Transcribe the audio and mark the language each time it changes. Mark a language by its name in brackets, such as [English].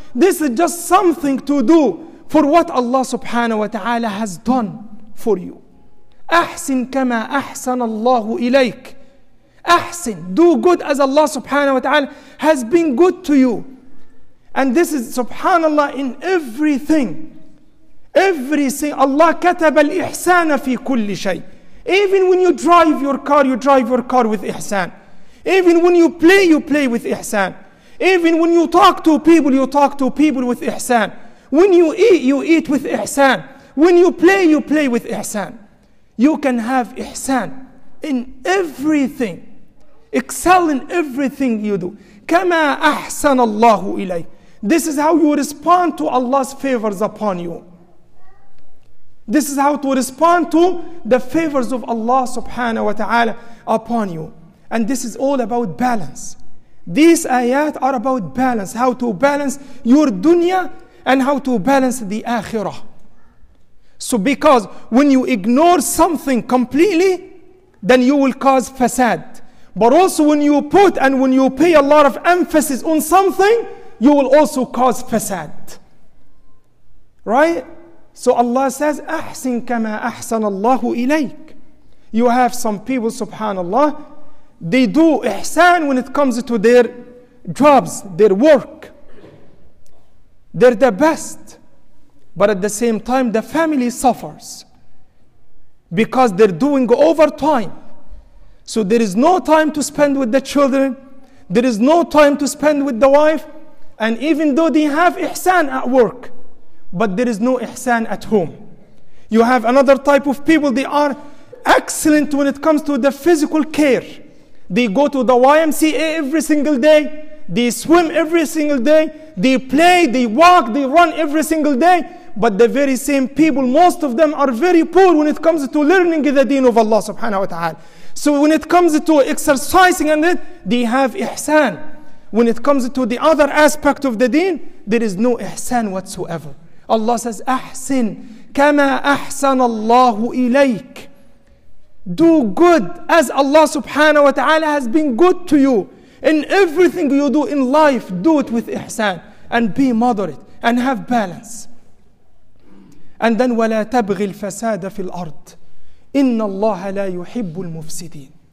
[English] This is just something to do for what Allah subhanahu wa ta'ala has done for you. [Arabic] أحسن كما أحسن الله إليك. [English] أحسن, do good as Allah subhanahu wa ta'ala has been good to you. And this is subhanallah in everything. [Arabic] Allah كتب الإحسان في كل شيء. [English] Even when you drive your car with ihsan. Even when you play with ihsan. Even when you talk to people with ihsan. When you eat with ihsan. When you play with ihsan. You can have ihsan in everything. Excel in everything you do. [Arabic] كما أحسن الله إليك. [English] This is how you respond to Allah's favors upon you. This is how to respond to the favors of Allah subhanahu wa ta'ala upon you. And this is all about balance. These ayat are about balance. How to balance your dunya and how to balance the akhirah. So because when you ignore something completely, then you will cause fasad. But also when you put and when you pay a lot of emphasis on something, you will also cause fasad. Right? So Allah says, [Arabic] أحسن كما أحسن الله إليك. [English] You have some people, subhanAllah, they do ihsan when it comes to their jobs, their work. They're the best. But at the same time, the family suffers because they're doing overtime. So there is no time to spend with the children. There is no time to spend with the wife. And even though they have ihsan at work, but there is no ihsan at home. You have another type of people, they are excellent when it comes to the physical care. They go to the YMCA every single day. They swim every single day. They play, they walk, they run every single day. But the very same people, most of them are very poor when it comes to learning the deen of Allah subhanahu wa ta'ala. So when it comes to exercising and it, they have ihsan. When it comes to the other aspect of the deen, there is no ihsan whatsoever. Allah says, [Arabic] أحسن كما أحسن الله إليك. [English] Do good as Allah subhanahu wa ta'ala has been good to you. In everything you do in life, do it with ihsan. And be moderate and have balance. And then, [Arabic] وَلَا تَبْغِي الْفَسَادَ فِي الْأَرْضِ إِنَّ اللَّهَ لَا يُحِبُّ الْمُفْسِدِينَ.